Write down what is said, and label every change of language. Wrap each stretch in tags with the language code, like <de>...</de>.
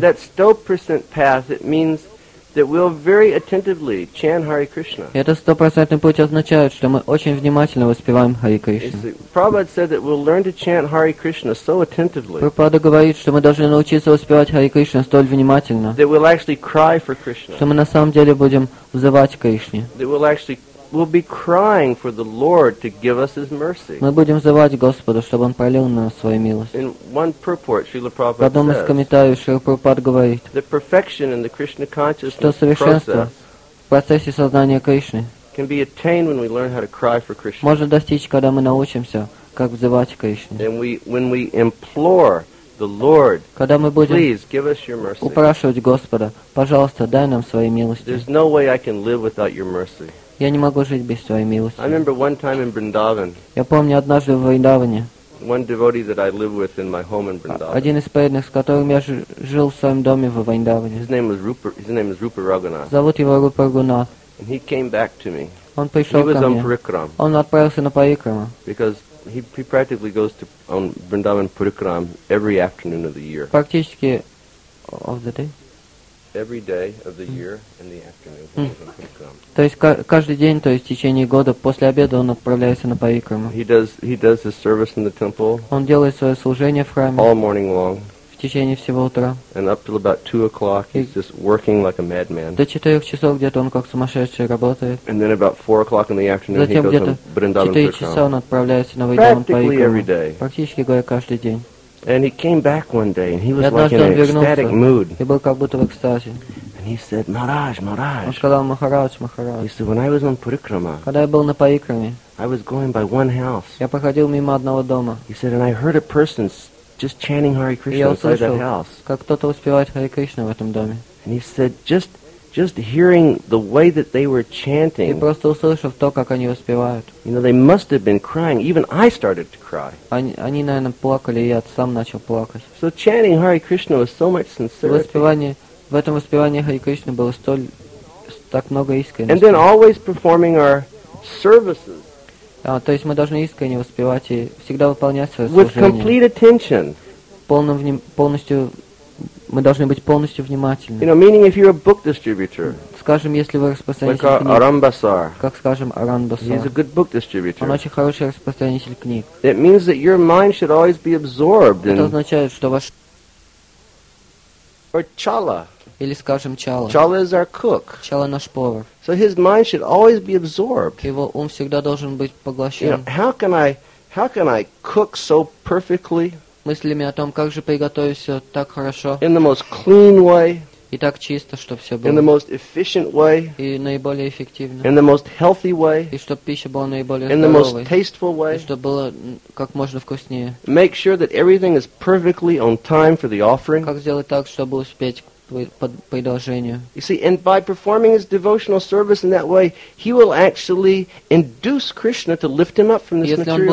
<en>And that 100% path, it means that we'll very attentively chant Hare Krishna.</en> <ru>Это 100% путь означает, что мы очень внимательно воспеваем Hare Krishna.</ru> <en>Prabhupada said that we'll learn to chant Hare Krishna so attentively.</en> <ru>Прабхупада говорит, что мы должны научиться воспевать Hare Krishna столь внимательно.</ru> <en>That we'll actually cry for Krishna.</en> <ru>Что мы на самом деле будем взывать к Кришне.</ru> <en>That we'll be crying for the Lord to give us His mercy.</en> <ru>Мы будем взывать Господа, чтобы Он пролил на нас свою милость.</ru> <en>In one purport, Srila Prabhupada says,</en> <ru>в одном из комментариев Шрила Прабхупада говорит,</ru> <en>the perfection in the Krishna consciousness</en> <ru>что совершенство в процессе сознания Кришны</ru> <en>can be attained when we learn how to cry for Krishna.</en> <ru>Можно достичь, когда мы научимся, как взывать к Кришне.</ru> <en>And when we implore the Lord,</en> <ru>когда мы будем</ru> <en>please give us your mercy.</en> <ru>Упрашивать Господа, пожалуйста, дай нам свои милости.</ru> <en>There's no way I can live without your mercy.</en> <ru>Я не могу жить без твоей милости.</ru> <en>I remember one time in Vrindavan.</en> <ru>Я помню однажды в Вриндаване.</ru> <en>One devotee that I live with in my home in Vrindavan.</en> <ru>Один из преданных, с которым я жил в своем доме в Вриндаване.</ru> <en>His name is Rupa Raghunath.</en> <ru>Зовут его Рупа Рагунат.</ru> <en>And he came back to me.</en> <ru>Он пришел ко мне.</ru> <en>Parikram.</en> <ru>Он отправился на парикраму.</ru> <en>Because he practically goes to on Vrindavan Parikram every afternoon of the year.</en> <ru>Практически</ru> <en>of the day. Every day of the year in the afternoon.</en> <ru>То есть каждый день, то есть в течение года после обеда он отправляется на парикраму.</ru> <en>He does his service in the temple.</en> <ru>Он делает свое служение в храме.</ru> <en>All morning long.</en> <ru>В течение всего утра.</ru> <en>And up till about 2 o'clock, he's just working like a madman.</en> <ru>До 4 часов где-то он как сумасшедший работает.</ru> <en>And then about 4 o'clock in the afternoon,</en> <ru>затем</ru> <en>he goes to Vrindavan Parikram.</en> <ru>4 часа он отправляется на Vrindavan Parikram. Практически говоря, каждый день.</ru> <en>And he came back one day, and he was like in an ecstatic mood.</en> <ru>И был как будто в экстазе.</ru> <en>And he said, "Maharaj, Maharaj."</en> <ru>Он сказал, Махарадж, Махарадж.</ru> <en>He said, "When I was on Parikrama."</en> <ru>Когда я был на парикраме.</ru> <en>I was going by one house.</en> <ru>Я проходил мимо одного дома.</ru> <en>He said, "And I heard a person just chanting Hare Krishna inside that house."</en> <ru>Как кто-то успевает Харе Кришна в этом доме.</ru> <en>And he said, "Just hearing the way that they were chanting."</en> <ru>И просто услышав то, как они успевают.</ru> <en>You know, they must have been crying. Even I started to cry.</en> <ru>Они, наверное, плакали, и я сам начал плакать.</ru> <en>So chanting Hare Krishna was so much sincerity.</en> <ru>В этом воспевании Харе Кришны было так много искренности.</ru> <en>And then always performing our services.</en> <ru>То есть мы должны искренне воспевать и всегда выполнять свое служение.</ru> <en>With complete attention.</en> <ru>Полностью. Мы должны быть полностью внимательны.</ru> <en>You know, meaning if you're a book distributor.</en> <ru>Скажем, если вы распространитель</ru> <en>like</en> <ru>книг.</ru> <en>Arambasar.</en> <ru>Как скажем, Арамбасар.</ru> <en>He's a good book distributor.</en> <ru>Он очень хороший распространитель книг.</ru> <en>It means that your mind should always be absorbed in.</en> <ru>Это означает, что ваш.</ru> <en>Or chala.</en> <ru>Или скажем, чала.</ru> <en>Chala is our cook.</en> <ru>Чала наш повар.</ru> <en>So his mind should always be absorbed.</en> <ru>Его ум всегда должен быть поглощен.</ru> <en>You know, how can I cook so perfectly?</en> <ru>Мыслями о том, как же приготовить все так хорошо.</ru> <en>In the most clean way.</en> <ru>И так чисто, чтобы все было.</ru> <en>In the most efficient way.</en> <ru>И наиболее эффективно.</ru> <en>In the most healthy way.</en> <ru>И чтобы пища была наиболее здоровой.</ru> <en>In the most tasteful way.</en> <ru>И чтобы было как можно вкуснее.</ru> <en>Make sure that everything is perfectly on time for the offering.</en> <ru>Как сделать так, чтобы успеть к предложению.</ru> <en>You see, and by performing his devotional service in that way, he will actually induce Krishna to lift him up from this material world.</en>